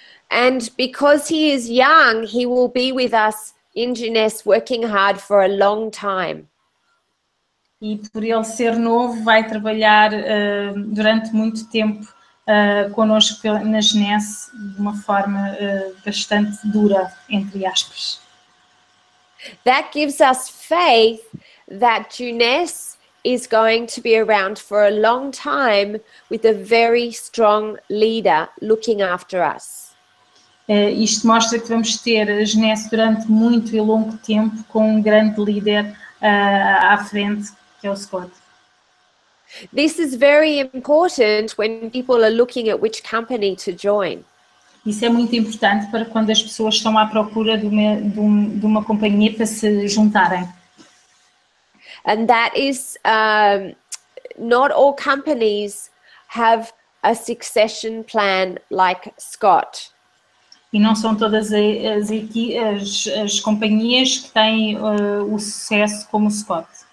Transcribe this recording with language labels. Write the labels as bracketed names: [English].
[English] And because he is young, he will be with us in GNSS working hard for a long time. [Portuguese] E por ele ser novo, vai trabalhar durante muito tempo connosco na GNSS de uma forma bastante dura, entre aspas. [English] That gives us faith that GNSS is going to be around for a long time with a very strong leader looking after us. [Portuguese] Isto mostra que vamos ter a GNSS durante muito e longo tempo com um grande líder à frente, que é o Scott. [English] This is very important when people are looking at which company to join. [Portuguese] Isso é muito importante para quando as pessoas estão à procura de uma companhia para se juntarem. [English] And that is, not all companies have a succession plan like Scott. [Portuguese] E não são todas as companhias que têm o sucesso como Scott.